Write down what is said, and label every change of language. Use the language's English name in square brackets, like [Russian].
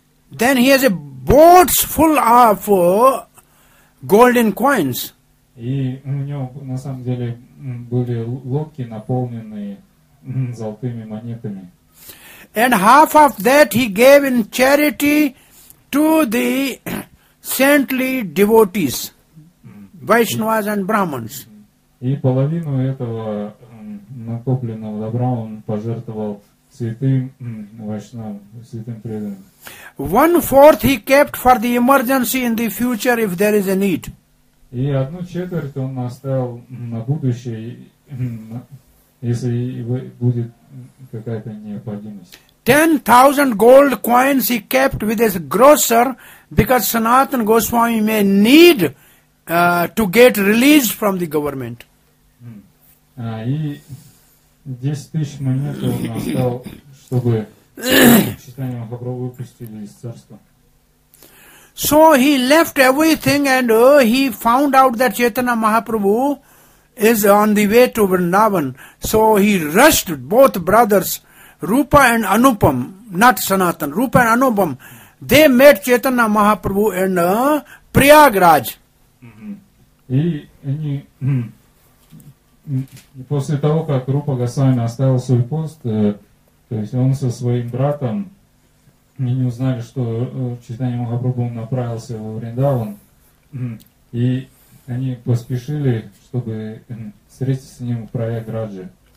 [English] Then he has a boat full of golden coins. [Russian] И у него на самом деле были лодки, наполненные золотыми монетами. [English] And half of that he gave in charity to the saintly devotees, Vaishnavas and Brahmins. [Russian] И половину этого накопленного добра он пожертвовал святым вайшнавам, святым преданным. [English] One fourth he kept for the emergency in the future if there is a need. [Russian] И одну четверть он оставил на будущее, если будет какая-то необходимость. [English] 10,000 gold coins he kept with his grocer because Sanatan Goswami may need to get released from the government. [Russian] И 10,000 монет он оставил, чтобы Чайтанья Махапрабху выпустили из царства. [English] So he left everything and he found out that Chaitanya Mahaprabhu is on the way to Vrindavan. So he rushed both brothers, Rupa and Anupam, not Sanatan, Rupa and Anupam. They met Chaitanya Mahaprabhu in Prayagraj. [Russian] И после того, как Рупа Госвами оставил свой пост, то есть он со своим братом, они не узнали, что Чайтанья Махапрабху направился во Вриндаван, и они поспешили, чтобы встретиться с ним в Прайаграджи.